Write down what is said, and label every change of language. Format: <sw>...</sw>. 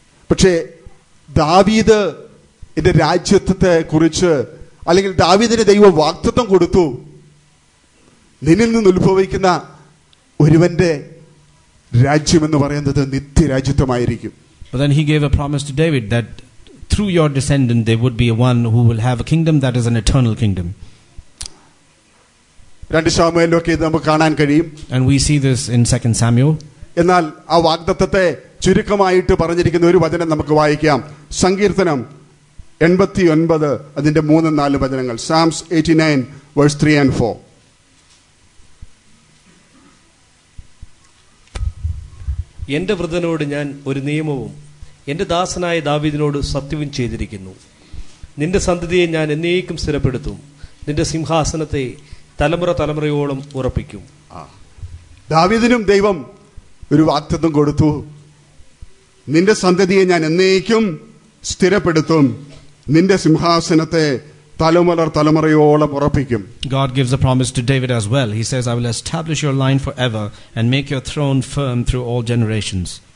<ml>പക്ഷേ ദാവീദിന്റെ രാജ്യത്വത്തെ കുറിച്ച് അല്ലെങ്കിൽ ദാവീദിന്റെ ദൈവം വാഗ്ദത്തം കൊടുത്തു, നിന്നിൽ നിന്ന് ഉത്ഭവിക്കുന്ന ഒരുവന്റെ രാജ്യം എന്ന് പറയുന്നത് നിത്യരാജ്യത്വമായിരിക്കും.</ml> <en>But then he gave a promise to David that through your descendant there would be one who will have a kingdom that is an eternal kingdom.</en> <ml>രണ്ട് സാമുവേലിലൊക്കെ ഇത് നമുക്ക് കാണാൻ കഴിയും.</ml> <en>And we see this in 2 Samuel.</en> <ml>എന്നാൽ ആ വാഗ്ദത്തത്തെ ചുരുക്കമായിട്ട് പറഞ്ഞിരിക്കുന്ന ഒരു വചനം നമുക്ക് വായിക്കാം. സങ്കീർത്തനം 89 അതിന്റെ 3-4 വചനങ്ങൾ.</ml> <en>Psalms 89:3-4.</en> <ml>എന്റെ വൃതനോട് ഞാൻ ഒരു നിയമവും എന്റെ ദാസനായ ദാവീദിനോട് സത്യവും ചെയ്തിരിക്കുന്നു. നിന്റെ സന്തതിയെ ഞാൻ എന്നേക്കും സ്ഥിരപ്പെടുത്തും, നിന്റെ സിംഹാസനത്തെ തലമുറ തലമുറയോളം ഉറപ്പിക്കും. ദാവീദിനും ദൈവം ഒരു വാഗ്ദത്തം കൊടുത്തു, നിന്റെ സന്തതിയെ ഞാൻ എന്നേക്കും സ്ഥിരപ്പെടുത്തും, നിന്റെ സിംഹാസനത്തെ തലമുറ തലമുറയോളം ഉറപ്പിക്കും.</ml> <en>God gives a promise to David as well. He says, I will establish your line forever and make your throne firm through all generations.</en>